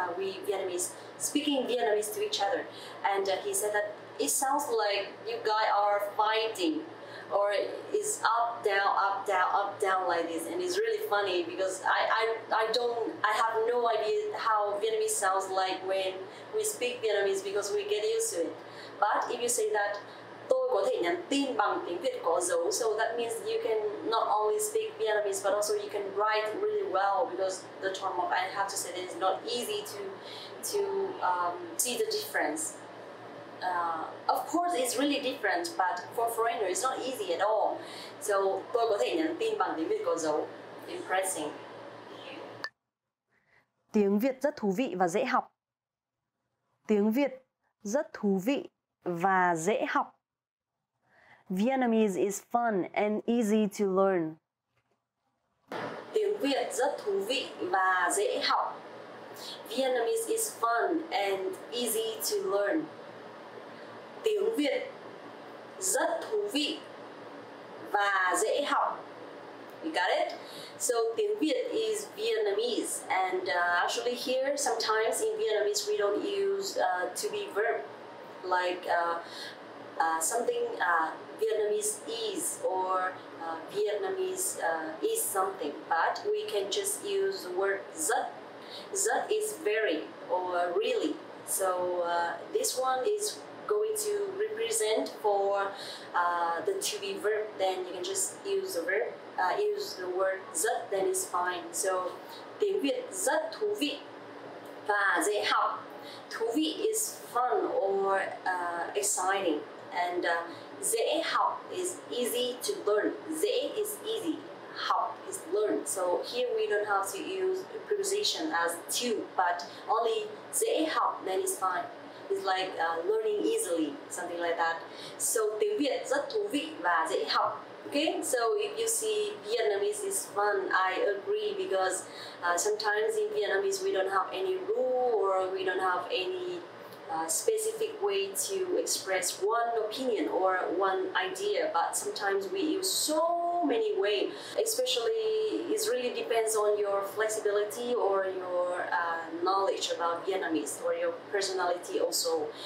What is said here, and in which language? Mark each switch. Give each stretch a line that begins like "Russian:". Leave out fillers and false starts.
English: We Vietnamese speaking Vietnamese to each other, and he said that it sounds like you guys are fighting, or it's up down, like this, and it's really funny because I have no idea how Vietnamese sounds like when we speak Vietnamese because we get used to it. But if you say that.
Vietnamese: Tôi có thể nhắn tin bằng tiếng Việt có dấu.
English: So that means you can not only speak Vietnamese, but also you can write really well because the tone mark, I have to say, it's not easy to see the difference. Of course, it's really different, but for foreigners, it's not easy at all.
Vietnamese: So tôi có thể nhắn tin bằng tiếng Việt có dấu.
English: Impressing.
Vietnamese: Tiếng Việt rất thú vị và dễ học. Tiếng Việt rất thú vị và dễ học.
English: Vietnamese is fun and easy to learn.
Vietnamese: Tiếng Việt rất thú vị và dễ học.
English: Vietnamese is fun and easy to learn.
Vietnamese: Tiếng Việt rất thú vị và dễ học.
English: You got it? So, tiếng Việt is Vietnamese. And actually here, sometimes in Vietnamese, we don't use to be verb. Like something Vietnamese is or Vietnamese is something, but we can just use the word rất. Rất is very or really. So this one is going to represent for the to be verb. Then you can just use the verb, use the word rất, then it's fine.
Vietnamese: So tiếng Việt rất thú vị và dễ học.
English: Thú vị is fun or exciting. And dễ học is easy to learn. Dễ is easy. Học is learn. So here we don't have to use a preposition as to, but only dễ học, then it's fine. It's like learning easily, something like that.
Vietnamese: So tiếng Việt rất thú vị và dễ học.
English: Okay, so if you see Vietnamese is fun, I agree, because sometimes in Vietnamese we don't have any rule or we don't have any specific way to express one opinion or one idea, but sometimes we use so many way, especially it really depends on your flexibility or your knowledge about Vietnamese or your personality also.